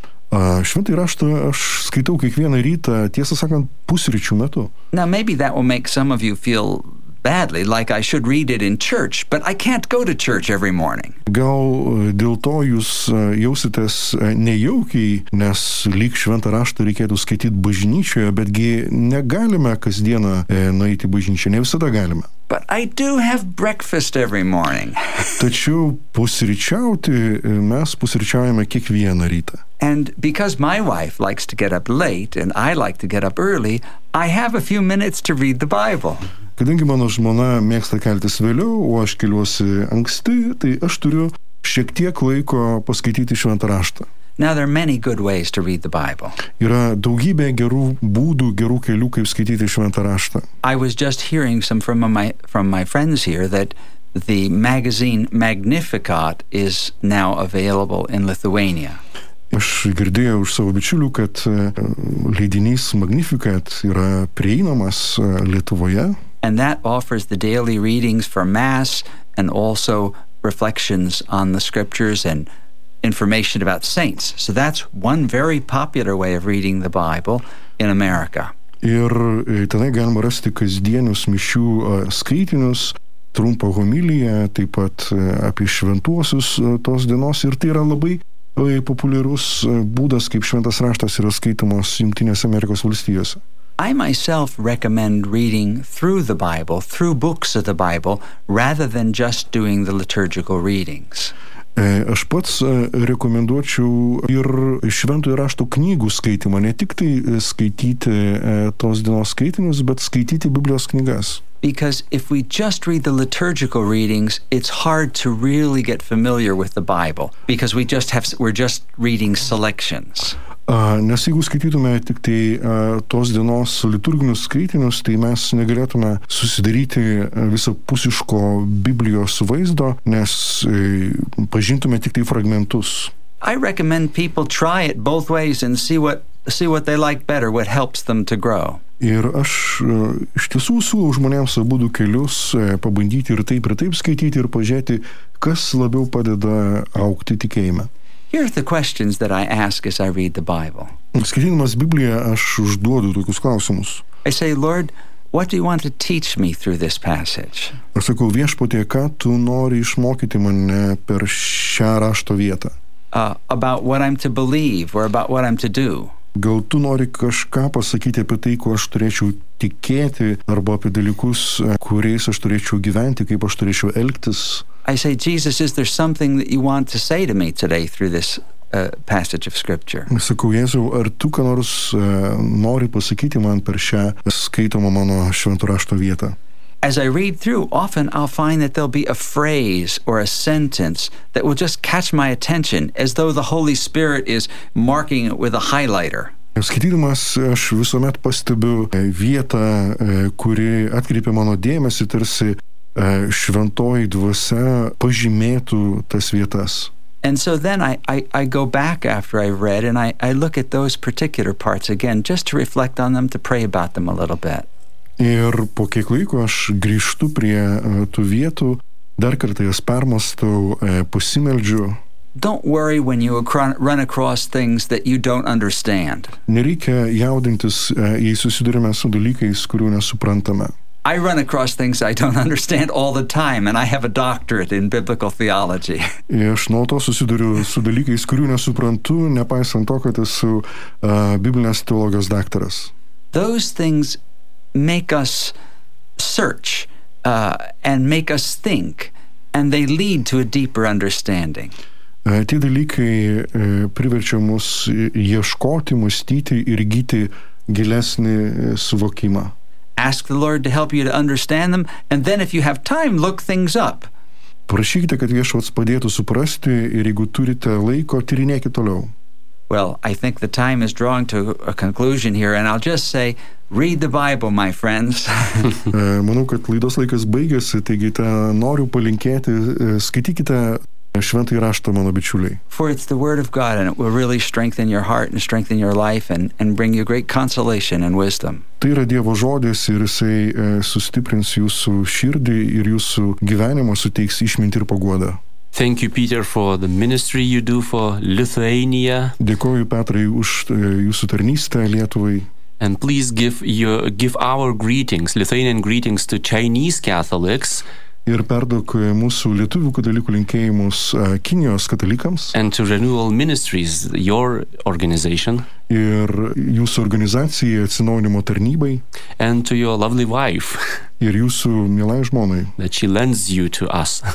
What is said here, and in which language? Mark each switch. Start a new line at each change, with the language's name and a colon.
Lithuanian: Šventąjį raštą aš skaitau kiekvieną rytą, tiesą sakant, pusryčių metu.
English: Now maybe that will make some of you feel badly, like I should read it in church, but I can't go to church every morning.
Lithuanian: Gal dėl to jūs jausitės nejaukiai, nes lyg šventą raštą reikėtų skaityti bažnyčioje, betgi negalime kasdieną nueiti bažnyčią, ne visada galime.
English: But I do have breakfast every morning.
Lithuanian: Tačiau pusryčiauti mes pusryčiaujame kiekvieną rytą.
English: And because my wife likes to get up late and I like to get up early, I have a few minutes to read the Bible.
Lithuanian: Kadangi mano žmona mėgsta keltis vėliau, o aš keliuosi anksti, tai aš turiu šiek tiek laiko paskaityti šventą raštą.
English: Now there are many good ways to read the Bible.
Lithuanian: Yra daugybė gerų būdų, gerų kelių, kaip skaityti šventą raštą.
English: I was just hearing some from my friends here that the magazine Magnificat is now available in Lithuania.
Lithuanian: Aš girdėjau už savo bičiulių, kad leidinys Magnificat yra prieinamas Lietuvoje.
English: And that offers the daily readings for Mass and also reflections on the scriptures and information about saints. So that's one very popular way of reading the Bible in America.
Lithuanian: Ir tenai galima rasti kasdienius mišių skaitinius, trumpą homiliją, taip pat apie šventuosius tos dienos, ir tai yra labai populiarus būdas, kaip šventas raštas yra skaitomas Jungtinėse Amerikos valstijose.
English: I myself recommend reading through the Bible, through books of the Bible, rather than just doing the liturgical readings.
Lithuanian: Aš pats rekomenduočiau ir šventųjų raštų knygų skaitymą, ne tik tai skaityti tos dienos skaitinius, bet skaityti Biblijos knygas.
English: Because if we just read the liturgical readings, it's hard to really get familiar with the Bible, because we're just reading selections.
Lithuanian: Nes jeigu skaitytume tik tai tos dienos liturginius skaitinius, tai mes negalėtume susidaryti visapusiško Biblijos vaizdo, nes pažintume tik tai fragmentus.
English: I recommend people try it both ways and see what they like better, what helps them to grow.
Lithuanian: Ir aš iš tiesų siūlau žmonėms abudu kelius pabandyti ir taip skaityti ir pažiūrėti, kas labiau padeda augti tikėjime.
English: Here are the questions that I ask as I read the Bible.
Lithuanian: Skaitydamas Bibliją, aš užduodu tokius klausimus.
English: I say, Lord, what do you want to teach me through this passage?
Lithuanian: Aš sakau, Viešpatie, ką tu nori išmokyti mane per šią rašto vietą?
English: About what I'm to believe or about what I'm to do.
Lithuanian: Gal tu nori kažką pasakyti apie tai, ko aš turėčiau tikėti, arba apie dalykus, kuriais aš turėčiau gyventi, kaip aš turėčiau elgtis?
English: I say, Jesus, is there something that you want to say to me today through this passage of scripture?
Lithuanian: Sakau, Jėzau, ar tu ką nors nori pasakyti man per šią skaitomą mano šventų rašto vietą?
English: As I read through, often I'll find that there'll be a phrase or a sentence that will just catch my attention, as though the Holy Spirit is marking it with a highlighter.
Lithuanian: Skaitydamas, aš visuomet pastebiu vietą, kuri atkreipia mano dėmesį, tarsi šventoji dvasia pažymėtų tas vietas.
English: And so then I go back after I read and I look at those particular parts again just to reflect on them, to pray about them a little bit.
Lithuanian: Ir po kiek laiko aš grįžtu prie tų vietų, dar kartą jas permastau, pasimeldžiu.
English: Don't worry when you run across things that you don't understand.
Lithuanian: Nereikia jaudintis, jei susidurime su dalykais, kurių nesuprantame.
English: I run across things I don't understand all the time, and I have a doctorate in biblical theology.
Lithuanian: Aš nuo to susiduriu su dalykais, kurių nesuprantu, nepaisant to, kad esu biblinės teologijos daktaras.
English: Those things make us search and make us think, and they lead to a deeper understanding.
Lithuanian: Tie dalykai priverčia mus ieškoti, mąstyti ir gyti gilesnį suvokimą.
English: Ask the Lord to help you to understand them, and then if you have time, look things up.
Lithuanian: Prašykite, kad Viešpats padėtų suprasti, ir jeigu turite laiko, tyrinėkite toliau.
English: Well, I think the time is drawing to a conclusion here, and I'll just say, read the Bible, my friends.
Lithuanian: Manau, kad laidos laikas baigėsi, taigi tą noriu palinkėti, skaitykite šventąjį raštą, mano bičiuliai.
English: For it's the word of God, and it will really strengthen your heart and strengthen your life and bring you great consolation and wisdom.
Lithuanian: Tai yra Dievo žodis, ir jisai sustiprins jūsų širdį ir jūsų gyvenimą, suteiks išmintį ir paguodą.
English: Thank you, Peter, for the ministry you do for Lithuania.
Lithuanian: Dėkoju, Petrai, už jūsų tarnystę Lietuvai.
English: And please give our greetings, Lithuanian greetings to Chinese Catholics.
Lithuanian: Ir perduok mūsų lietuvių katalikų linkėjimus Kinijos katalikams.
English: And to Renewal Ministries, your organization.
Lithuanian: Ir jūsų organizacijai Atsinaujinimo tarnybai.
English: And to your lovely wife.
Lithuanian: Ir jūsų mielai žmonai.
English: That she lends you to us.